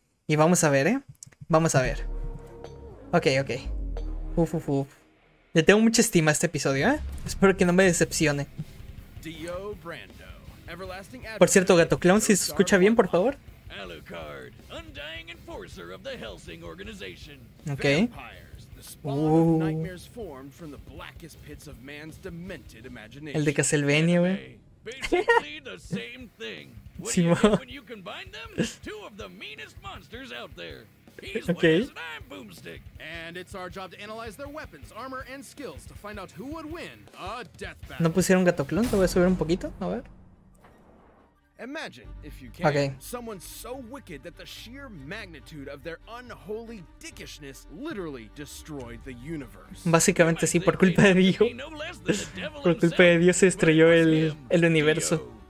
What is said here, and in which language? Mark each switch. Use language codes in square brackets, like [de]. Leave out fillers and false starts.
[es] Y vamos a ver, vamos a ver. Ok. Uf, uf, uf. Le tengo mucha estima a este episodio, espero que no me decepcione. [en] Dio Brando, everlasting advocate. [es] Por cierto, Gato Clown, si se escucha bien, por favor. [en] Alucard, undying enforcer of the Hellsing organization. Okay. Vampires, the spawn of nightmares formed from the blackest pits of man's demented imagination. [es] El de Castlevania, güey. [en] Basically the same thing. What do you do when you combine them? Two of the meanest monsters out there. He's okay. Witness, and I'm Boomstick. And it's our job to analyze their weapons, armor, and skills to find out who would win a death battle. [es] ¿No pusieron gato clon? ¿Te voy a subir un poquito? A ver. [en] Imagine, if you can, okay. Someone so wicked that the sheer magnitude of their unholy dickishness literally destroyed the universe. [es] Básicamente sí, por culpa de Dios. Por culpa de Dios se estrelló el universo.